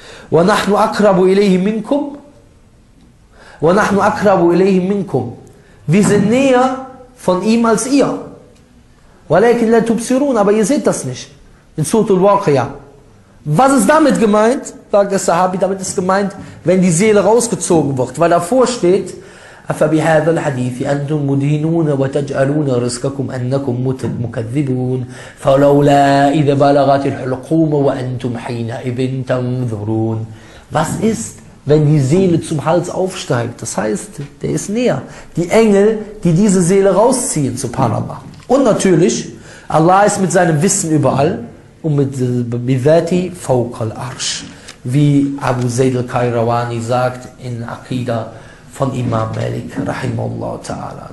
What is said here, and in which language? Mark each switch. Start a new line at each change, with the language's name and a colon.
Arabic: وَنَحْنُ أَقْرَبُ إِلَيْهِ مِنْكُمْ وَنَحْنُ أَقْرَبُ إِلَيْهِ مِنْكُمْ.
German: Wir sind näher von ihm als ihr.
Arabic: وَلَكِنْ لَا تُبْصِرُونَ.
German: Aber ihr seht das nicht. In Surah Al-Waqiyah. Was ist damit gemeint? Sagt der Sahabi, damit ist gemeint, wenn die Seele rausgezogen wird. Weil davor steht,
Arabic: أَفَبِهَذَا الْحَدِيثِ أَنْتُمْ مُدْهِنُونَ وَتَجْعَلُونَ رِزْكَكُمْ أَنَّكُمْ مُكَذِّبُونَ فَلَوْلَا إِذَا بَلَغَتِ الْحُلْقُومَ وَأَنْتُمْ حِينَئِذٍ تَنْظُرُونَ.
German: Was ist, wenn die Seele zum Hals aufsteigt? Das heißt, der ist näher. Die Engel, die diese Seele rausziehen zu Panama. Und natürlich, Allah ist mit seinem Wissen überall und mit Bivati Fawqal Arsch. Wie Abu Zayd al-Kairawani sagt in Aqidah von Imam Malik, rahimahullah ta'ala.